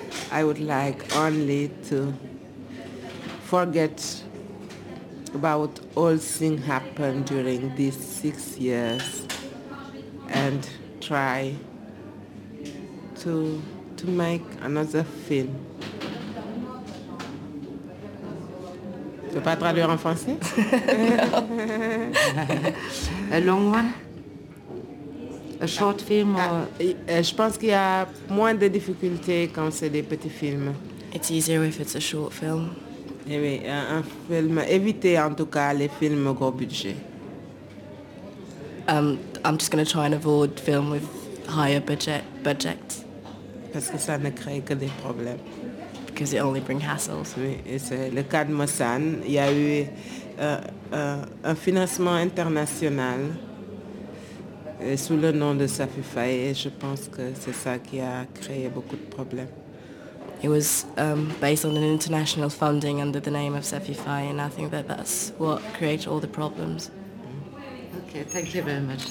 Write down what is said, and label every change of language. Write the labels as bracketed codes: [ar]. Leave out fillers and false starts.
[en] I would like only to forget about all things happened during these 6 years and try to make another film. [fr] Tu veux pas traduire en français? [en] A long one? A short film or... [fr] Je pense qu'il y a moins de difficultés quand c'est des petits films. [en] It's easier if it's a short film. [fr] Eh oui, un film, éviter en tout cas les films gros budget. [en] I'm just going to try and avoid film with higher budget. [fr] Parce que ça ne crée que des problèmes. [en] Because it only bring hassles. [fr] Oui, et c'est le cas de Mossane. Il y a eu un financement international sous le nom de Safi Faye et je pense que c'est ça qui a créé beaucoup de problèmes. [en] It was based on an international funding under the name of Safi Faye, and I think that that's what created all the problems. Okay, thank you very much.